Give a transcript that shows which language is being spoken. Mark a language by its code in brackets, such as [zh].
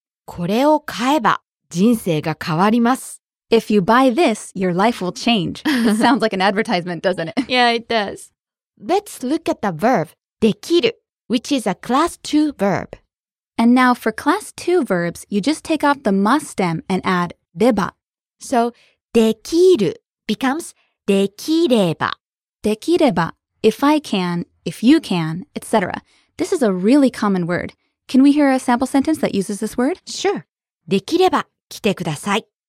[ja] これを買えば人生が変わります。 [en] If you buy this, your life will change. It sounds like an advertisement, doesn't it? Yeah, it does. Let's look at the verb できるwhich is a class 2 verb. And now for class 2 verbs, you just take off the must stem and add deba. So, できる becomes できれば. できれば, if I can, if you can, etc. This is a really common word. Can we hear a sample sentence that uses this word? Sure. [ja] できれば来てください.